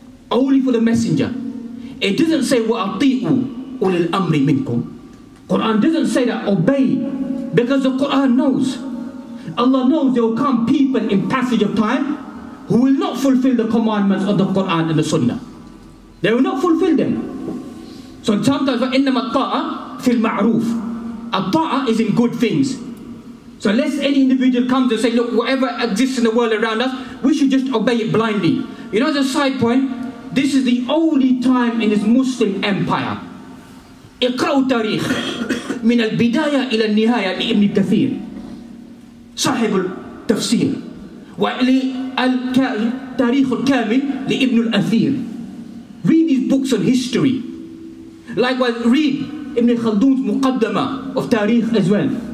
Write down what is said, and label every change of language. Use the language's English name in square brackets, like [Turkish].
[English] Only for the Messenger. It doesn't say, [Arabic] Wa ati'u ulil amri minkum. [English] Quran doesn't say that, obey. Because the Quran knows. Allah knows there will come people in passage of time who will not fulfill the commandments of the Quran and the Sunnah. They will not fulfill them. [Arabic] So sometimes, إِنَّمَا الطَّاعَ فِي الْمَعْرُوفِ. [English] A ta'a is in good things. So lest any individual comes and say, look, whatever exists in the world around us, we should just obey it blindly. You know, as a side point, this is the only time in this Muslim empire. [Arabic] اِقْرَوْ تَارِيخ مِنَ الْبِدَايَةِ إِلَى النِّهَايَةِ لِإِبْنِ كَثِيرٍ صاحب التفسير وَإِلِي التاريخ الكامل لإبن الأثير. [English] Read these books on history. Likewise, read Ibn Khaldun's Muqaddama of Tariq as well.